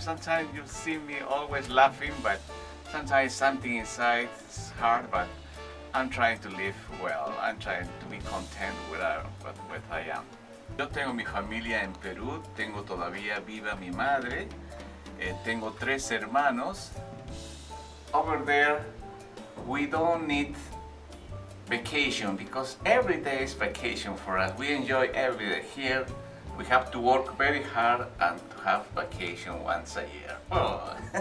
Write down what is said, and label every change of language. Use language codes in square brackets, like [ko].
[en] Sometimes you see me always laughing, but sometimes something inside is hard, but I'm trying to live well. I'm trying to be content with what I am. [es] Yo tengo mi familia en Perú, tengo todavía viva mi madre, tengo tres hermanos. [en] Over there, we don't need vacation because every day is vacation for us. We enjoy every day here. We have to work very hard and to have vacation once a year. Oh.